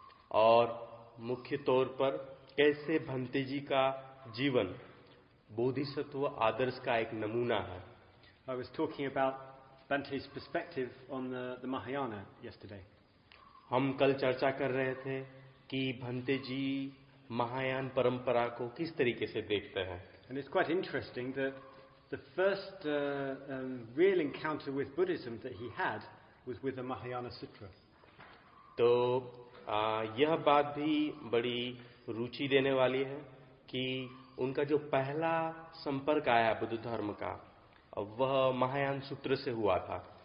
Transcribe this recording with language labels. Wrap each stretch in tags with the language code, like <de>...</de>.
<hi>और मुख्य तौर पर कैसे भंते जी का जीवन बोधिसत्व आदर्श का एक नमूना है।</hi> <en>I was talking about Bhante's perspective on the Mahayana yesterday.</en> <hi>हम कल चर्चा कर रहे थे कि भंते जी महायान परंपरा को किस तरीके से देखते हैं।</hi> <en>And it's quite interesting that the first real encounter with Buddhism that he had was with a Mahayana sutra.</en> <hi>तो यह बात भी बड़ी रुचि देने वाली है कि उनका जो पहला संपर्क आया बुद्ध धर्म का, वह महायान सूत्र से हुआ था।</hi>